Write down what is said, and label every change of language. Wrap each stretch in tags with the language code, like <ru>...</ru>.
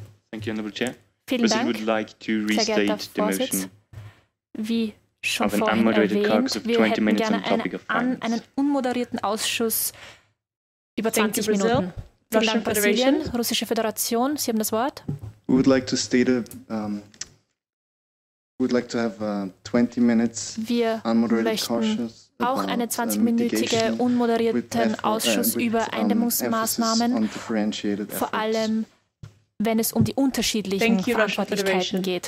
<en>Thank you, Honorable Chair.</en> <de>Vielen Dank.</de> <en>Brazil would like to restate the motion.</en> <de>Wie schon vorhin erwähnt, wir hätten gerne einen unmoderierten Ausschuss über 20 Minuten. Vielen Dank, Brasilien, Russische Föderation. Sie haben das Wort.</de> <en>We would like to state have 20 minutes unmoderated cautious.</en> <de>Auch einen 20-minütigen unmoderierten Ausschuss über Eindämmungsmaßnahmen, vor allem, wenn es um die unterschiedlichen Verantwortlichkeiten geht.</de>